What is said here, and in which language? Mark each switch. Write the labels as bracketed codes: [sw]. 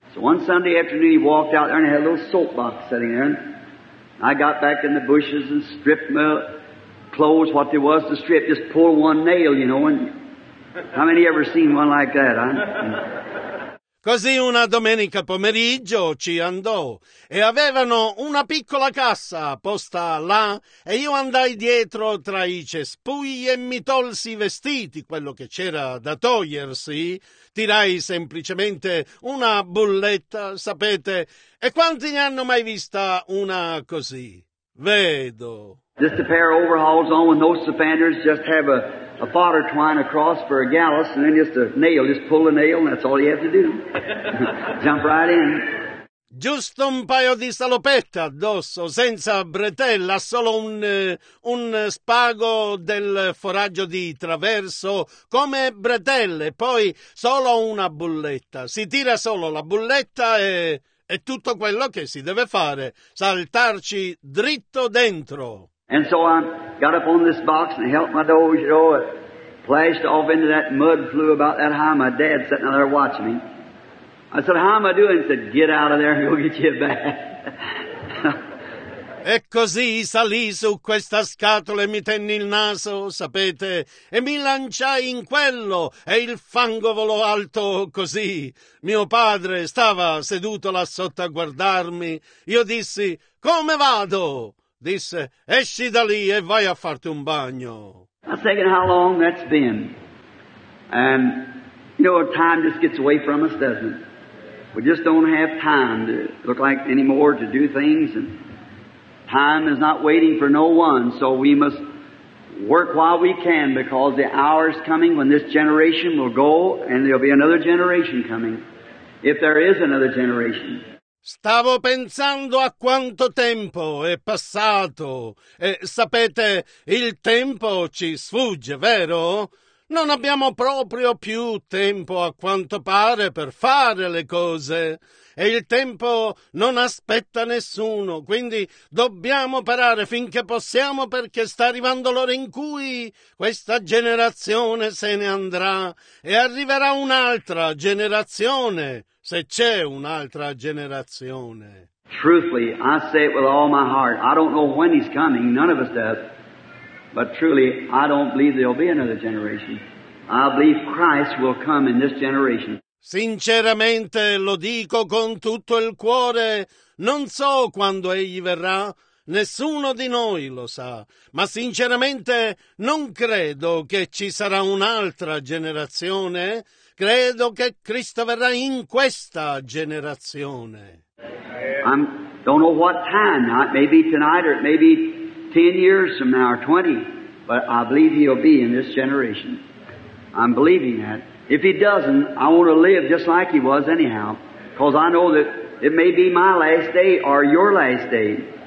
[en] So one Sunday afternoon he walked out there and he had a little soapbox sitting there. I got back in the bushes and stripped my clothes, what there was to strip. Just pull one nail, you know. And how many ever seen one like that? [it] Così una domenica pomeriggio ci andò e avevano una piccola cassa posta là e io andai dietro tra i cespugli e mi tolsi i vestiti, quello che c'era da togliersi, tirai semplicemente una bulletta, sapete, e quanti ne hanno mai vista una così? Vedo. [en] Just a pair of overalls on with no suspenders, just have a fodder twine across for a gallus, and then just a nail, just pull a nail, and that's all you have to do. Jump right in. [it] Giusto un paio di salopette addosso, senza bretella, solo un spago del foraggio di traverso, come bretelle, poi solo una bulletta. Si tira solo la bulletta e tutto quello che si deve fare, saltarci dritto dentro. [en] And so I got up on this box and helped my dog, you know, it flashed off into that mud, flew about that high. My dad sitting out there watching me. I said, how am I doing? He said, get out of there and go get you a bath. [it] E così salì su questa scatola e mi tenni il naso, sapete, e mi lanciai in quello e il fango volò alto così. Mio padre stava seduto là sotto a guardarmi. Io dissi, come vado? Disse, esci da lì e vai a farti un bagno. [en] I was thinking how long that's been. And, you know, time just gets away from us, doesn't it? We just don't have time to look like anymore to do things. And time is not waiting for no one, so we must work while we can, because the hour is coming when this generation will go and there'll be another generation coming, if there is another generation. [it] Stavo pensando a quanto tempo è passato. E sapete, il tempo ci sfugge, vero? Non abbiamo proprio più tempo, a quanto pare, per fare le cose. E il tempo non aspetta nessuno, quindi dobbiamo operare finché possiamo, perché sta arrivando l'ora in cui questa generazione se ne andrà e arriverà un'altra generazione. Se c'è un'altra generazione. [en] Truthfully, I say it with all my heart. I don't know when he's coming. None of us does. But truly, I don't believe there'll be another generation. I believe Christ will come in this generation. [it] Sinceramente, lo dico con tutto il cuore. Non so quando egli verrà. Nessuno di noi lo sa. Ma sinceramente, non credo che ci sarà un'altra generazione. Credo che Cristo verrà in questa generazione. [en] I don't know what time, it may be tonight or it may be 10 years from now or 20, but I believe he'll be in this generation. I'm believing that. If he doesn't, I want to live just like he was anyhow, because I know that it may be my last day or your last day.